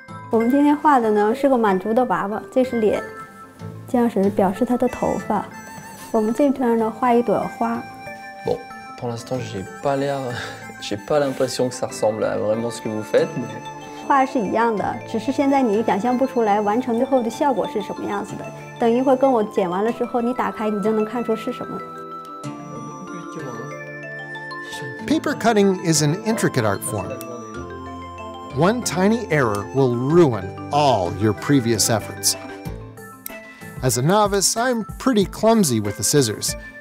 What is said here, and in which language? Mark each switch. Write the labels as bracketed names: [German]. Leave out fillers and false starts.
[Chinese] 我们今天画的呢是个满足的娃娃，这是脸。这样是表示他的头发。我们这边呢画一朵花。 [French] Bon, pour l'instant, j'ai pas l'impression que ça ressemble à vraiment ce que vous faites. [Chinese] 画是一样的，只是现在你想象不出来完成之后的效果是什么样子的。等一会儿跟我剪完了之后，你打开，你就能看出是什么。 [English] Paper cutting is an intricate art form. One tiny error will ruin all your previous efforts. As a novice, I'm pretty clumsy with the scissors.